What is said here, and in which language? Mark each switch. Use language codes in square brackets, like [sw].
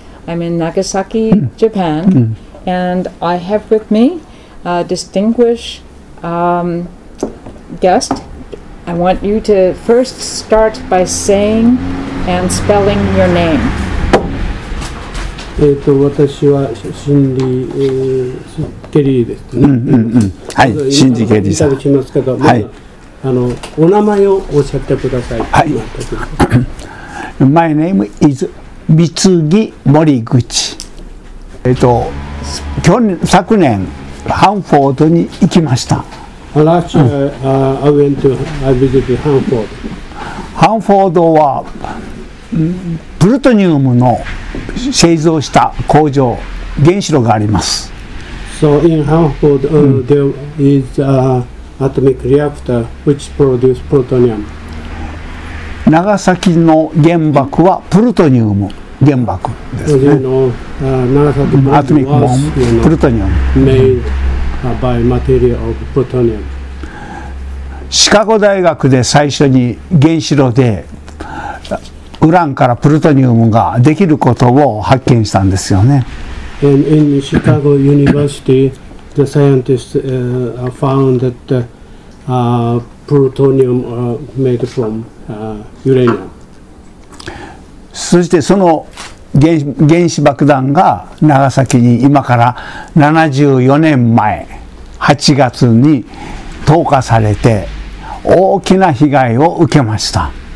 [en] I'm in Nagasaki, Japan, and I have with me a distinguished guest. I want you to first start by saying and spelling your name. [ja] 私はシンディ、ケリーです、ね。はい、シンディケリーさん。しますけど、はい、あのお名前をおっしゃってください。 [en] はい。My name is 三木森口。 [ja] 昨年ハンフォードに行きました。 [en] Last year, I went to visit Hanford. [ja] ハンフォードは。プルトニウムの製造した工場、原子炉があります。 [en] So in Hanford, there is a atomic reactor which produces plutonium. [ja] 長崎の原爆はプルトニウム原爆ですね。 You know, 長崎の [en] atomic bomb, you know, [ja] プルトニウム。 [en] Made by material of plutonium. [ja] シカゴ大学で最初に原子炉でウランからプルトニウムができることを発見したんですよね。 [en] And in Chicago University, the scientists found that plutonium made from uranium. [ja] そしてその原子爆弾が長崎に今から74年前8月に投下されて大きな被害を受けました。